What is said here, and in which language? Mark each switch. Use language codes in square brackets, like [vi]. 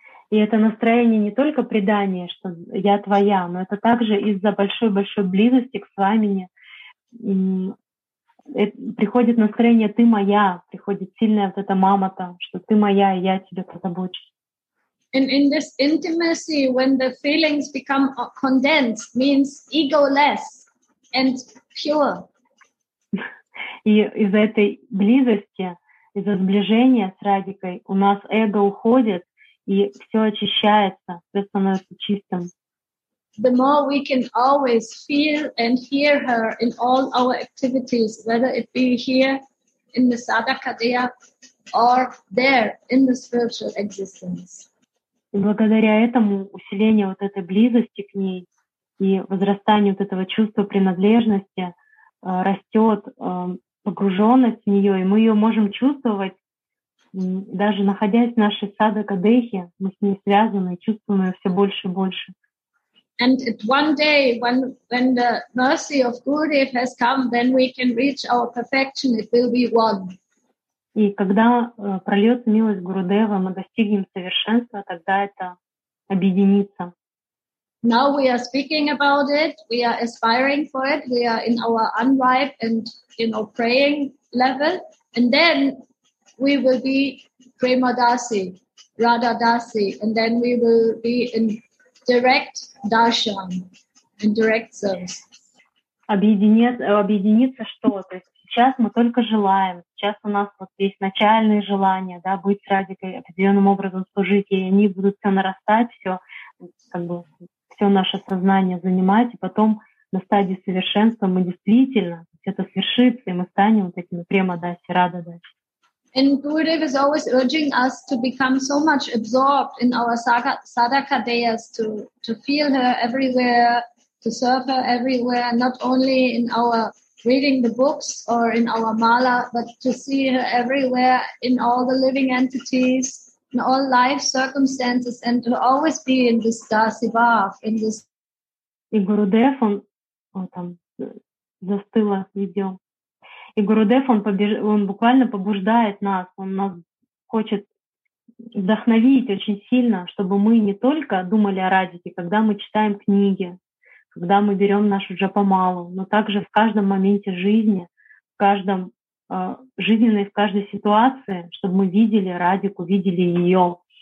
[ru] И это настроение не только предание, что я твоя, но это также из-за большой-большой близости к Свамине. Приходит настроение «ты моя», приходит сильная вот эта мамата, что «ты моя, и я тебя позабочусь». [en] And in this intimacy, when the feelings become condensed, means ego-less and pure. [ru] И из-за этой близости, из-за сближения с Радикой, у нас эго уходит, и все очищается, все становится чистым. [en] The more we can always feel and hear her in all our activities, whether it be here in the sadhakadeya or there in the spiritual existence. [ru] И благодаря этому усилению вот этой близости к ней и возрастанию вот этого чувства принадлежности растет погруженность в нее, и мы ее можем чувствовать, даже находясь в нашей садхакадехе, мы с ней связаны, чувствуем ее все больше и больше. [en] And at one day, when the mercy of Gurudev has come, then we can reach our perfection. It will be one. [ru] И когда прольется милость Гурудева, мы достигнем совершенства, тогда это объединится. [en] Now we are speaking about it. We are aspiring for it. We are in our unripe and, you know, praying level. And then we will be Prema Dasi, Radha Dasi. And then we will be in direct darshan, in direct service. [ru] Объединиться что? То есть сейчас мы только желаем. Сейчас у нас вот есть начальные желания, да, быть с Радикой, определенным образом служить, и они будут все нарастать, все, как бы, все наше сознание занимать, и потом на стадии совершенства мы действительно это свершится, и мы станем вот этими према даси, рада даси. [en] And Gurudev is always urging us to become so much absorbed in our sadhakadeyas, to feel her everywhere, to serve her everywhere, not only in our reading the books or in our mala, but to see her everywhere in all the living entities, in all life circumstances, and to always be in this dasi bhav, in this. [ru] И Гурудев, он там застыло видео. И Гурудев, он буквально побуждает нас, он нас хочет вдохновить очень сильно, чтобы мы не только думали о Радике, когда мы читаем книги, когда мы берем нашу джапамалу, но также в каждом моменте жизни, в каждом жизненной, в каждой ситуации, чтобы мы видели Радику, видели ее.